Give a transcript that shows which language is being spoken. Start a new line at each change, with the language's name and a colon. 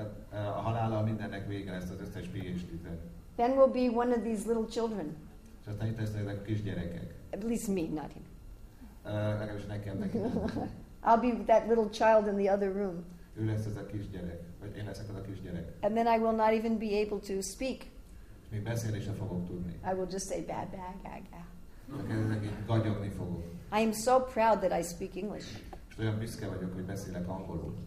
Hungarian: A halála mindennek vége lesz, az összes PhD-te.
English: Then we'll be one of these little children.
Hungarian: És aztán itt lesznek ezek a kisgyerekek.
English: At least me, not him.
Hungarian: Legalábbis nekem.
English: I'll be that little child in the other room.
Hungarian: Ő lesz ez a kisgyerek, vagy én leszek az a kisgyerek.
English: And then I will not even be able to speak.
Hungarian: És még beszélni sem fogok tudni.
English: I will just say bad, bad, bad, bad. Okay, I am so proud that I speak English.
Hungarian: Olyan büszke vagyok, hogy beszélek angolul.